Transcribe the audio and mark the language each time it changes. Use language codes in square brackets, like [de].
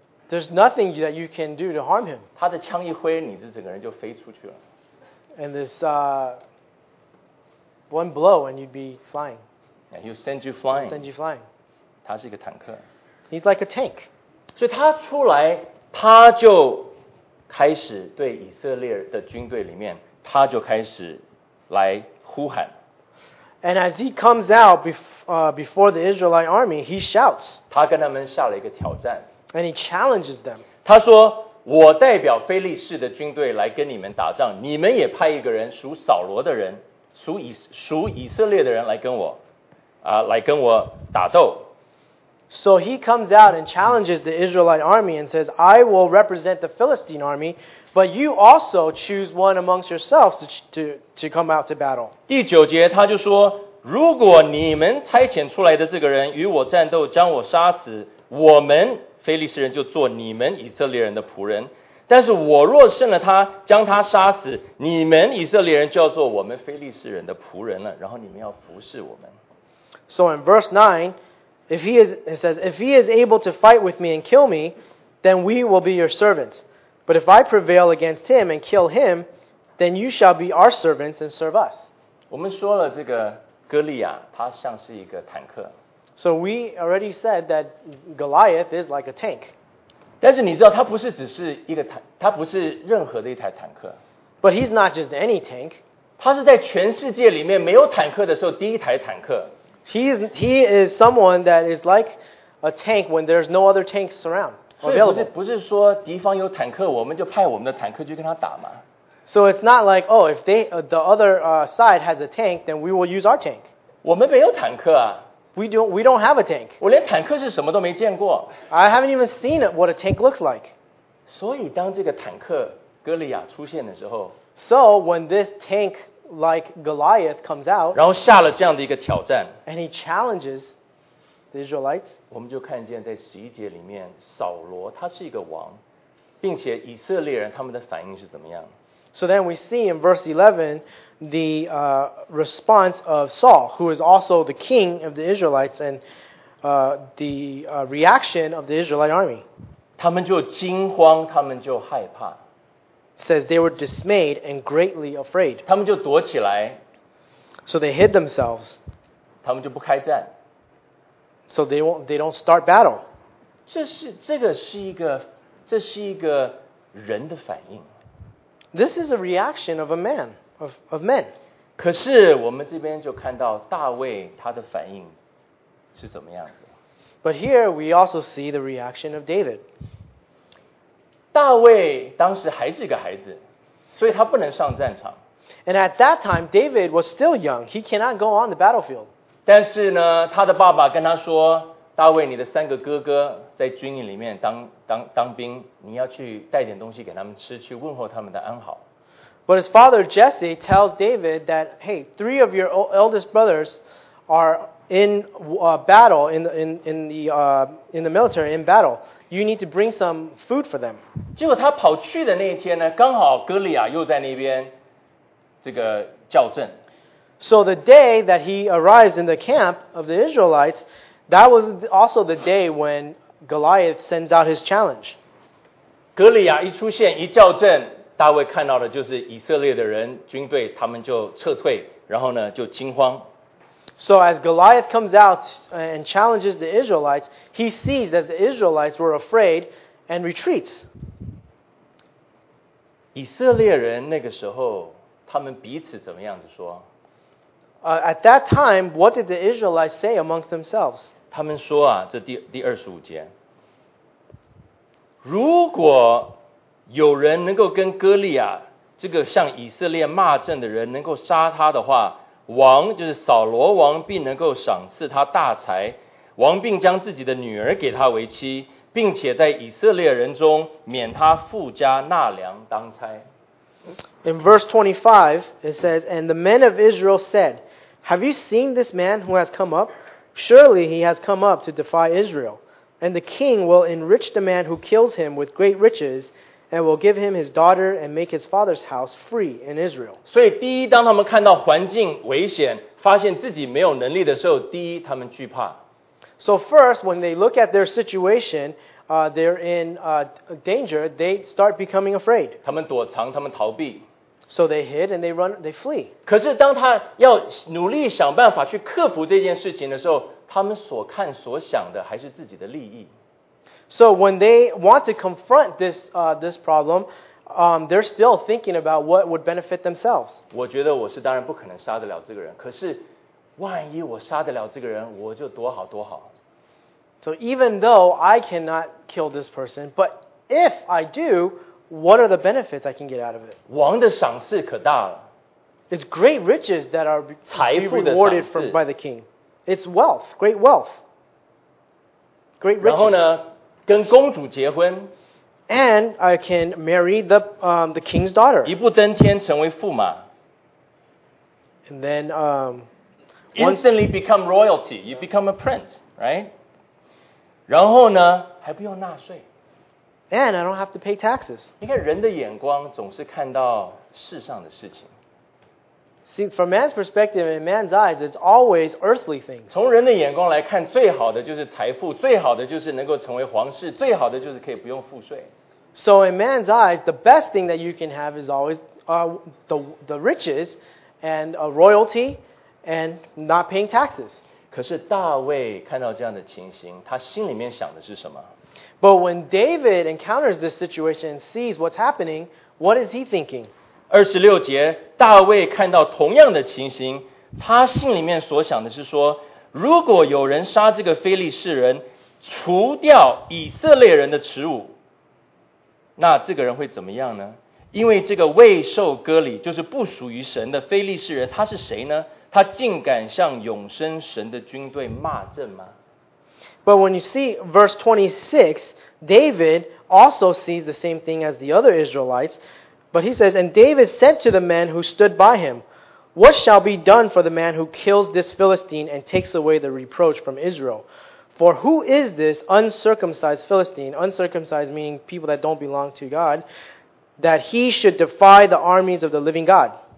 [en] There's nothing that you can do to harm him. [zh] 他的枪一挥，你这整个人就飞出去了。 [en] And this one blow and you'd be flying. Yeah, he'll send you flying. He'll send you flying. [zh] 他是一个坦克。 [en] He's like a tank. [zh] 所以他出来，他就开始对以色列的军队里面，他就开始来呼喊。 [en] And as he comes out before the Israelite army, he shouts. [zh] 他跟他们下了一个挑战。 [en] And he challenges them. [zh] 他说，我代表非利士的军队来跟你们打仗，你们也派一个人属扫罗的人，属以色列的人来跟我，来跟我打斗。 [en] So he comes out and challenges the Israelite army and says, I will represent the Philistine army, but you also choose one amongst yourselves to come out to battle. [zh] 第九节他就说，如果你们差遣出来的这个人与我战斗，将我杀死，我们腓力斯人就做你们以色列人的仆人。但是我若胜了他，将他杀死，你们以色列人就要做我们腓力斯人的仆人了，然后你们要服侍我们。 [en] So in verse 9, if he is able to fight with me and kill me, then we will be your servants. But if I prevail against him and kill him, then you shall be our servants and serve us. [zh] 我们说了这个哥利亚，他像是一个坦克。 [en] So we already said that Goliath is like a tank. [zh] 但是你知道，他不是只是一个坦，他不是任何的一台坦克。 [en] But he's not just any tank. [zh] 他是在全世界里面没有坦克的时候第一台坦克。 [en] He is someone that is like a tank when there's no other tanks around. [zh] 所以不是说敌方有坦克，我们就派我们的坦克去跟他打吗？ [en] So it's not like, oh, if they, the other side has a tank, then we will use our tank. [zh] 我们没有坦克啊。 [en] We don't have a tank. [zh] 我连坦克是什么都没见过。 [en] I haven't even seen what a tank looks like. [zh] 所以当这个坦克哥利亚出现的时候。 [en] So when this tank like Goliath comes out. [zh] 然后下了这样的一个挑战。 [en] And he challenges the Israelites. [zh] 我们就看见在十一节里面，扫罗他是一个王，并且以色列人他们的反应是怎么样。 [en] So then we see in verse 11 the response of Saul, who is also the king of the Israelites, and reaction of the Israelite army. [zh] 他们就惊慌，他们就害怕。 [en] Says they were dismayed and greatly afraid. [zh] 他们就躲起来。 [en] So they hid themselves. [zh] 他们就不开战。 [en] So they don't start battle. [zh] 这是一个人的反应。 [en] This is a reaction of a man, of men. [zh] 可是我们这边就看到大卫他的反应是怎么样子。 [en] But here we also see the reaction of David. [zh] 大卫当时还是一个孩子，所以他不能上战场。 [en] And at that time, David was still young. He cannot go on the battlefield. [zh] 但是呢，他的爸爸跟他说，大卫，你的三个哥哥在军营里面当兵，你要去带点东西给他们吃，去问候他们的安好。 [en] But his father Jesse tells David that, hey, three of your eldest brothers are in battle in the military in battle. You need to bring some food for them. [zh] 结果他跑去的那一天呢，刚好哥利亚又在那边这个叫阵。 [en] So the day that he arrives in the camp of the Israelites, that was also the day when Goliath sends out his challenge. [zh] 哥利亚一出现，一叫阵，大卫看到的就是以色列的人军队，他们就撤退，然后呢就惊慌。 [en] So as Goliath comes out and challenges the Israelites, he sees that the Israelites were afraid and retreats. [zh] 以色列人那个时候，他们彼此怎么样子说？ [en] At that time, what did the Israelites say amongst themselves? [zh] 他们说啊，这第25节，如果有人能够跟哥利亚这个向以色列骂阵的人能够杀他的话，王就是扫罗王必能够赏赐他大财，王并将自己的女儿给他为妻，并且在以色列人中免他富家纳粮当差。 [en] In verse 25, it says, And the men of Israel said, Have you seen this man who has come up? Surely he has come up to defy Israel. And the king will enrich the man who kills him with great riches, and will give him his daughter and make his father's house free in Israel. [zh] 所以第一，当他们看到环境危险，发现自己没有能力的时候，第一，他们惧怕。 [en] So first, when they look at their situation, they're in danger, they start becoming afraid. [zh] 他们躲藏，他们逃避。 [en] So they hid and they flee. [zh] 可是当他要努力想办法去克服这件事情的时候，他们所看所想的还是自己的利益。 [en] So when they want to confront this problem, they're still thinking about what would benefit themselves. [zh] 我觉得我是当然不可能杀得了这个人，可是万一我杀得了这个人，我就多好多好。 [en] So even though I cannot kill this person, but if I do, what are the benefits I can get out of it? [zh] 王的赏赐可大了。 [en] It's great riches that are rewarded by the king. It's wealth, great wealth. Great riches. [zh] 然后呢，跟公主结婚。 [en] And I can marry the king's daughter. [zh] 一步登天成为驸马。 [en] And then instantly become royalty. You become a prince, right? [zh] 然后呢，还不用纳税。 [en] And I don't have to pay taxes. [zh] 你看人的眼光总是看到世上的事情。 [en] See, from man's perspective, in man's eyes, it's always earthly things. [zh] 从人的眼光来看，最好的就是财富，最好的就是能够成为皇室，最好的就是可以不用赋税。 [en] So in man's eyes, the best thing that you can have is always the riches and a royalty and not paying taxes. [zh] 可是大卫看到这样的情形，他心里面想的是什么？ [en] But when David encounters this situation and sees what's happening, what is he thinking? [zh] 26节，大卫看到同样的情形，他心里面所想的是说，如果有人杀这个非利士人，除掉以色列人的耻辱，那这个人会怎么样呢？因为这个未受割礼，就是不属于神的非利士人，他是谁呢？他竟敢向永生神的军队骂阵吗？ [en] But when you see verse 26, David also sees the same thing as the other Israelites, but he says, And David said to the men who stood by him, What shall be done for the man who kills this Philistine and takes away the reproach from Israel? For who is this uncircumcised Philistine? Uncircumcised meaning people that don't belong to God, that he should defy the armies of the living God.